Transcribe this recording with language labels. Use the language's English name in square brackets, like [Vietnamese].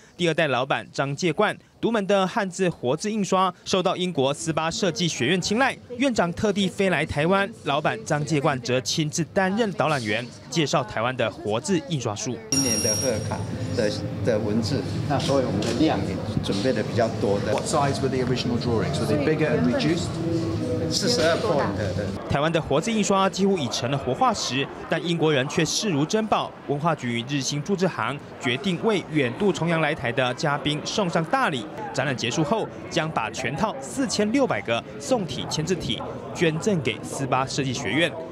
[Chinese] 第二代老板张介冠，独门的汉字活字印刷受到英国斯巴设计学院青睐，院长特地飞来台湾，老板张介冠则亲自担任导览员，介绍台湾的活字印刷术。今年的贺卡 的文字，那所以我们的量也准备的比较多的。 [English] What size were the original drawings? Were they bigger and reduced? 42 point 的。 [Chinese] 台湾的活字印刷几乎已成了活化石，但英国人却视如珍宝。文化局与日新铸字行决定为远渡重洋来台的嘉宾送上大礼。展览结束后，将把全套4600个宋体签字体捐赠给斯巴设计学院。